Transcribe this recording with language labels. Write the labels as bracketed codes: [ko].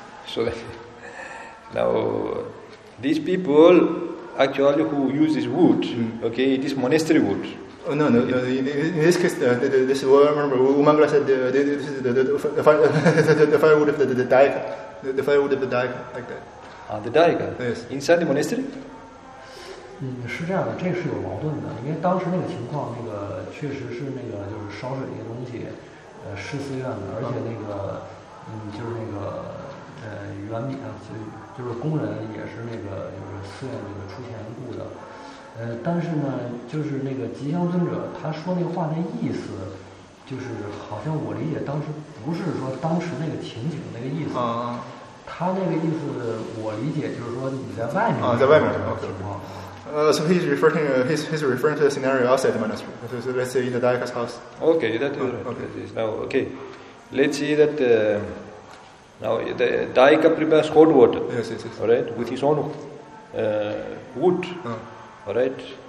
[en] So now these people actually who use this wood, okay, this monastery wood. Oh, no, in this case, this remember, Umangala said this is the firewood of the daika. The firewood of the daika, like that. Ah, the daika? Yes. Inside the monastery? [zh] 是这样的，这是有矛盾的，因为当时那个情况，那个确实是那个就是烧水那个东西，是寺院的，而且那个，就是那个原民啊，就是工人也是那个就是寺院那个出钱雇的，但是呢，就是那个吉祥尊者他说那话那意思，就是好像我理解当时不是说当时那个情景那个意思，他那个意思我理解就是说你在外面在外面什么情况？ [en] So he's referring to the scenario outside the monastery. So let's say in the daika's house. Okay, that is now okay. Let's see that now the daika prepares hot water. Yes. All right, with his own wood. All right.